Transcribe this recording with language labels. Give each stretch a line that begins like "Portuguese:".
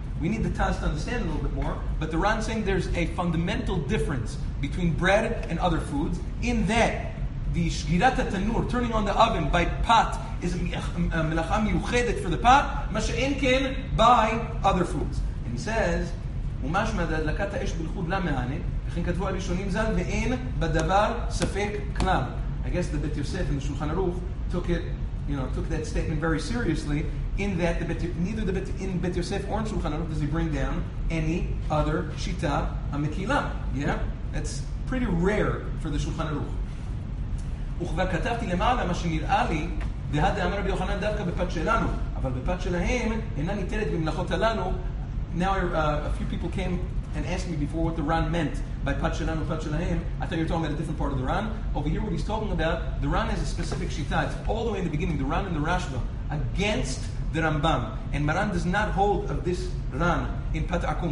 English: We need the Taz to understand a little bit more, but the Ran is saying there's a fundamental difference between bread and other foods, in that the Shgirat HaTanur, turning on the oven by pat, is a melacha miyuchedet for the pat, ma she'en ken by other foods.
Hebrew: And he says, ומשמע דהדלקת האש בלחוד למענה, וכן כתבו הראשונים זל, ואין בדבר ספק כלל.
English: I guess the Bet Yosef and the Shulchan Aruch took that statement very seriously, in that in Bet Yosef or in Shulchan Aruch does he bring down any other shita המקילה. Yeah? That's pretty rare for the Shulchan Aruch.
Hebrew: וכבר כתבתי למעלה מה שנראה לי, דהד אמר רבי יוחנן דווקא בפת שלנו, אבל בפת שלהם אינה ניתנת במלאכות הללו.
English: Now a few people came and asked me before what the Ran meant by Pat Shelanu, Pat Shelahem. I thought you were talking about a different part of the Ran. Over here what he's talking about, the Ran has a specific Shita. It's all the way in the beginning, the Ran and the Rashba, against the Rambam. And Maran does not hold of this Ran in Pat Akum.